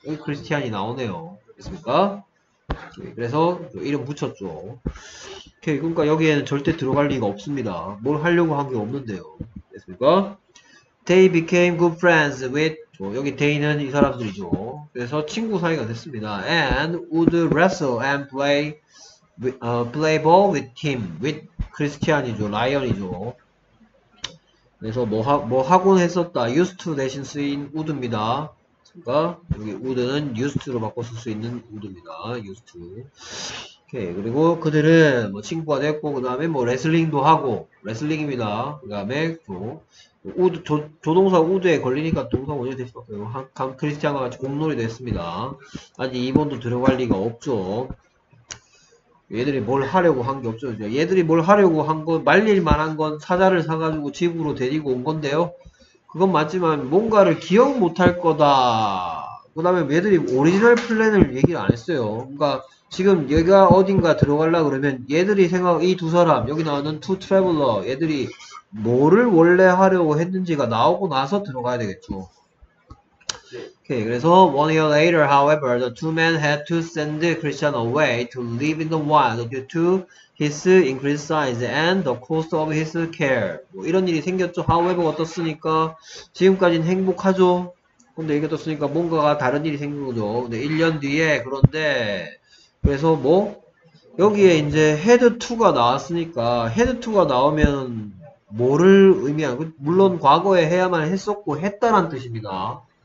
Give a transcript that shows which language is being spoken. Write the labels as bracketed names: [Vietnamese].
[Korean] 여기 크리스티안이 나오네요. 그렇습니까? 그래서 이름 붙였죠. 오케이. 그러니까 여기에는 절대 들어갈 리가 없습니다. 뭘 하려고 한게 없는데요. 그렇습니까? [English] They became good friends with [Korean] 여기 they는 이 사람들이죠. 그래서 친구 사이가 됐습니다. [English] And would wrestle and play ball with him, with Christian이죠, lion이죠. [Korean] 그래서 뭐 하곤 했었다. [English] Used to [Korean] 대신 쓰인 would입니다. 그러니까 여기 would는 used to로 바꿔 쓸 수 있는 would입니다. used to. 오케이. 그리고 그들은 뭐 친구가 됐고 그 다음에 뭐 레슬링도 하고 레슬링입니다. 그 다음에 또 우드 조동사 우드에 걸리니까 동사 원형이 될 수밖에 없고 강 크리스티안과 같이 공놀이도 했습니다. 아직 2번도 들어갈 리가 없죠. 얘들이 뭘 하려고 한게 없죠. 얘들이 뭘 하려고 한건 말릴만한 건 사자를 사가지고 집으로 데리고 온 건데요. 그건 맞지만 뭔가를 기억 못할 거다. 그 다음에 얘들이 오리지널 플랜을 얘기를 안 했어요. 그러니까 지금 얘가 어딘가 들어가려 그러면 얘들이 생각 이 두 사람 여기 나오는 투 트래블러 얘들이 뭐를 원래 하려고 했는지가 나오고 나서 들어가야 되겠죠. 오케이. [English] 그래서 one year later, however, the two men had to send Christian away to live in the wild due to his increased size and the cost of his care. [Korean] 뭐 이런 일이 생겼죠. However, 어떻습니까? 지금까지는 행복하죠. 근데 이게 떴으니까 뭔가가 다른 일이 생긴 거죠. 근데 1년 뒤에 그런데 그래서 뭐 여기에 이제 헤드2가 나왔으니까 헤드2가 나오면 뭐를 의미하는 물론 과거에 해야만 했었고 했다란 뜻입니다.